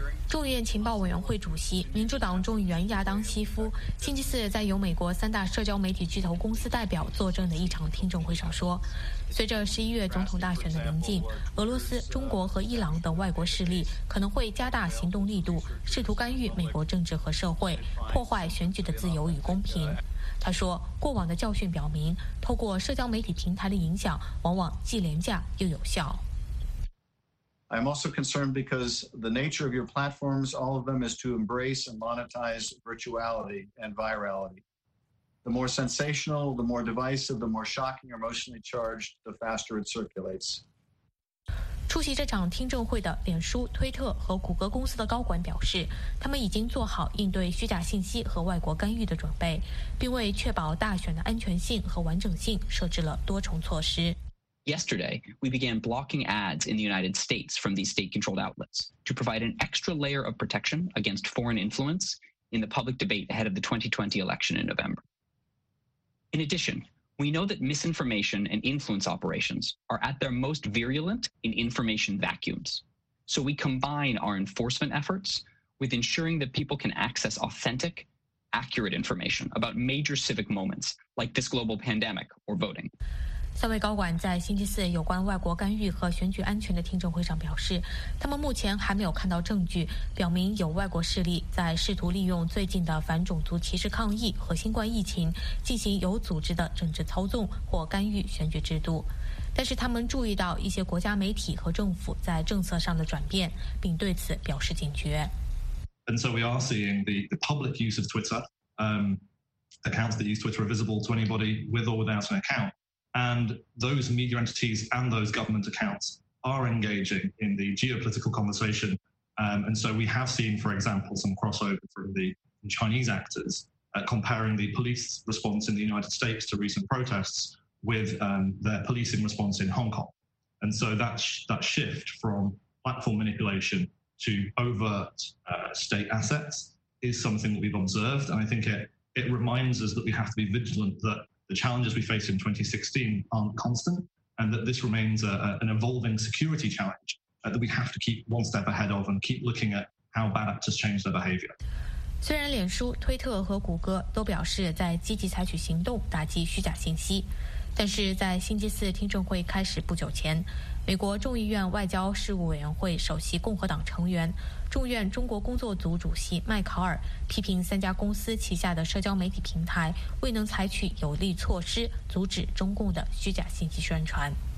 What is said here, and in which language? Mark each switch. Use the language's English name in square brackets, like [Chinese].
[Chinese] 众议院情报委员会主席、民主党众议员亚当·西夫星期四在由美国三大社交媒体巨头公司代表作证的一场听证会上说，随着十一月总统大选的临近，俄罗斯、中国和伊朗等外国势力可能会加大行动力度，试图干预美国政治和社会，破坏选举的自由与公平。他说，过往的教训表明，透过社交媒体平台的影响往往既廉价又有效。 [English] I'm also concerned because the nature of your platforms, all of them, is to embrace and monetize virtuality and virality. The more sensational, the more divisive, the more shocking or emotionally charged, the faster it circulates. [Chinese] 出席这场听证会的脸书、推特和谷歌公司的高管表示，他们已经做好应对虚假信息和外国干预的准备，并为确保大选的安全性和完整性设置了多重措施。 [English] Yesterday, we began blocking ads in the United States from these state-controlled outlets to provide an extra layer of protection against foreign influence in the public debate ahead of the 2020 election in November. In addition, we know that misinformation and influence operations are at their most virulent in information vacuums. So we combine our enforcement efforts with ensuring that people can access authentic, accurate information about major civic moments like this global pandemic or voting. [Chinese] 三位高管在星期四有关外国干预和选举安全的听证会上表示，他们目前还没有看到证据表明有外国势力在试图利用最近的反种族歧视抗议和新冠疫情进行有组织的政治操纵或干预选举制度，但是他们注意到一些国家媒体和政府在政策上的转变，并对此表示警觉。 [English] And so we are seeing the public use of Twitter, accounts that use Twitter are visible to anybody with or without an account. And those media entities and those government accounts are engaging in the geopolitical conversation. And so we have seen, for example, some crossover from the Chinese actors, comparing the police response in the United States to recent protests with, their policing response in Hong Kong. And so that shift from platform manipulation to overt, state assets is something that we've observed. And I think it reminds us that we have to be vigilant thatThe challenges we faced in 2016 aren't constant, and that this remains an evolving security challenge that we have to keep one step ahead of and keep looking at how bad actors change their behavior. [Chinese] 虽然脸书、推特和谷歌都表示在积极采取行动打击虚假信息，但是在星期四听证会开始不久前，美国众议院外交事务委员会首席共和党成员、众院中国工作组主席麦考尔批评三家公司旗下的社交媒体平台未能采取有力措施阻止中共的虚假信息宣传。